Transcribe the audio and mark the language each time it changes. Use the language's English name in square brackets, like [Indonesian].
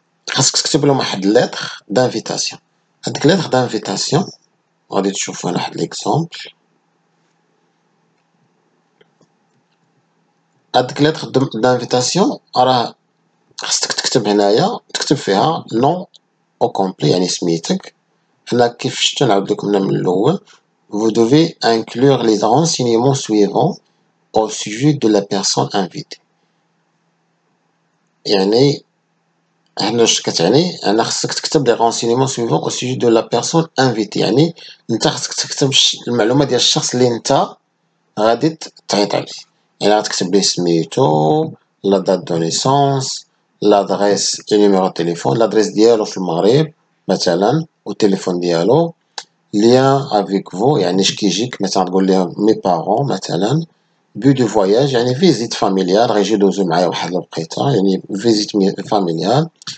[Arabic] خاصك تكتب لهم واحد ليتر دانفيتاسيون. هاديك ليتر دانفيتاسيون غادي تشوف واحد ليكزومبل. هاديك ليتر دانفيتاسيون راه خاصك تكتب هنايا، تكتب فيها نو او كومبلي يعني سميتك. هنا كيف شفتو نعاود لكم من الاول، [French] vous devez inclure les renseignements suivants au sujet de la personne invitée. [Arabic] يعني هنا اش كتعني؟ انا خصك تكتب لي [French] رونسينيمون سويفون او سوجي دو لا بيرسون انفيتي، [Arabic] يعني انت خصك تكتب المعلومه ديال الشخص اللي انت غادي تعيط عليه. يعني غتكتب لي سميتو، [French] لا دات دو نيسونس، [Arabic] لادريس، نيميرو تليفون، لادريس ديالو في المغرب مثلا، والتليفون ديالو، ليان افيك فو يعني اش كيجيك، مثلا تقول ليهم مي بارون مثلا، [French] بو دو فواياج [Arabic] يعني فيزيت فاميليال، غيجي دوزو معايا واحد الوقيته يعني فيزيت فاميليال،